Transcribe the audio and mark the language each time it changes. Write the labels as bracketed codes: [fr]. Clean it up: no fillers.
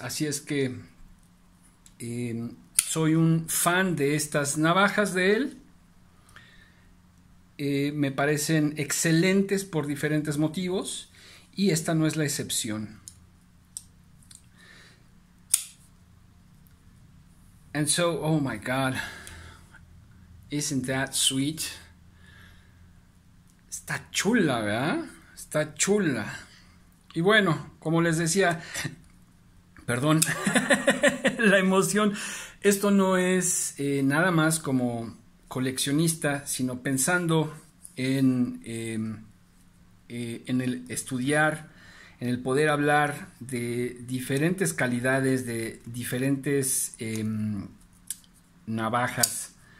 [es] Así es que soy un fan de estas navajas de él. Me parecen excelentes por diferentes motivos y esta no es la excepción. [en] And so, oh my God, isn't that sweet? [es] Está chula, ¿verdad? Está chula. Y bueno, como les decía, perdón, la emoción. Esto no es nada más como coleccionista, sino pensando en el estudiar, en el poder hablar de diferentes calidades, de diferentes navajas.